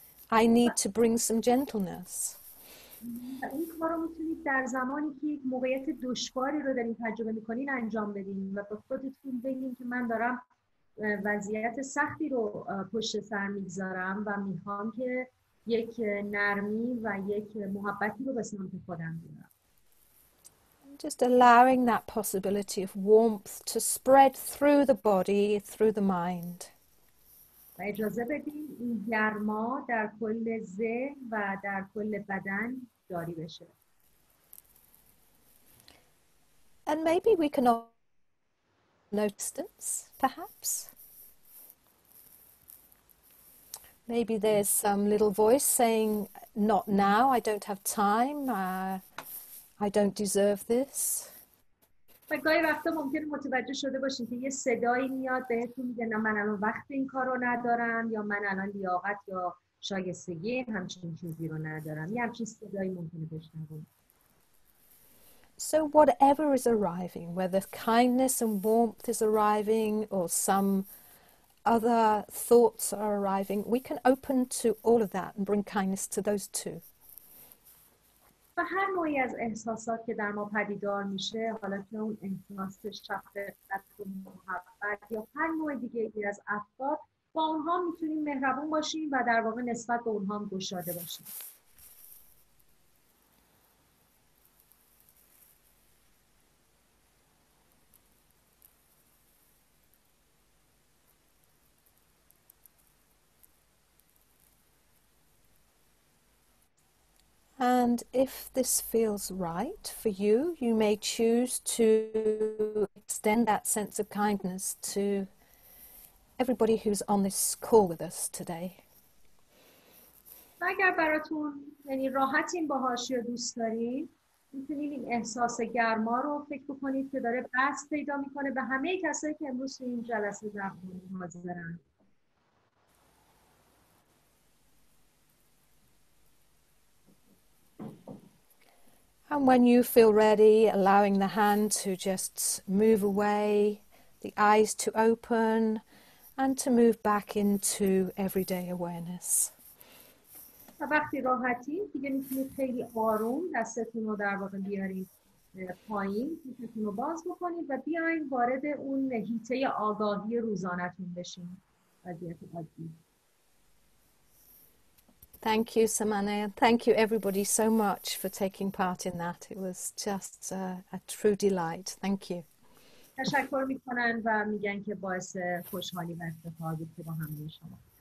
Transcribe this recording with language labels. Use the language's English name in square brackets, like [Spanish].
[English] I need to bring some gentleness. [Persian] این کار رو میتونید در زمانی که یک موقعیت دشواری رو دارین تجربه میکنین انجام بدین و به خودتون بگین که من دارم وضعیت سختی رو پشت سر میگذارم و میخوام که یک نرمی و یک محبتی رو به سمت خودم بیارم. [English] Just allowing that possibility of warmth to spread through the body, through the mind. [Persian] اجازه بدین این گرما در کل ذهن و در کل بدن جاری بشه. [English] And maybe we can notice, perhaps. Maybe there's some little voice saying, not now, I don't have time, I don't deserve this. [Persian] گاهی وقتا ممکنه متوجه شده باشین که یه صدایی میاد بهتون میگه نه من الان وقت این کار رو ندارم یا من الان لیاقت یا شایستگی همچین چیزی رو ندارم. یه همچین صدایی ممکنه بشنوید. [English] So whatever is arriving, whether kindness and warmth is arriving or some other thoughts are arriving, we can open to all of that and bring kindness to those two. [Persian] و هر نوعی از احساسات که در ما پدیدار میشه حالا که اون احساس شفقت و محبت یا هر نوع دیگه ای از افکار با اونها میتونیم مهربون باشیم و در واقع نسبت به اونها هم گشاده باشیم. [English] And if this feels right for you, you may choose to extend that sense of kindness to everybody who's on this call with us today. [Persian] اگر براتون یعنی راحتین باهاش یا دوست دارین میتونین این احساس گرما رو فکر بکنید که داره بس پیدا میکنه به همه کسایی که امروز این جلسه در حضورن. [English] And when you feel ready, allowing the hand to just move away, the eyes to open, and to move back into everyday awareness. [Persian] وقتی راحتی دیگه میتونید خیلی آروم دستتون رو در واقع بیارید پایین، دستتون رو باز بکنید و بیاین وارد اون حیطه آگاهی روزانه‌تون بشین. وضعیت عادی. [English] Thank you, Samane, and thank you everybody so much for taking part in that. It was just a true delight. Thank you. [Persian] تشکر میکنن و میگن که باعث خوشحالی و افتخار بود که با هم دیگه شما.